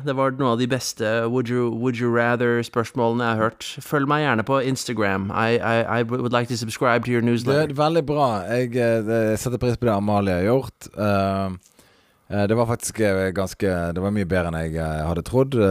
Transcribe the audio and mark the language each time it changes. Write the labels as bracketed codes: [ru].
[no] Det var noe av de beste [en] would you rather [no] spørsmålene jeg har hørt. Følg meg gjerne på Instagram. [en] I would like to subscribe to your newsletter. [no] Det er veldig bra. Jeg setter pris på det Amalie har gjort. Det var faktisk ganske, det var mye bedre enn jeg hadde trodd.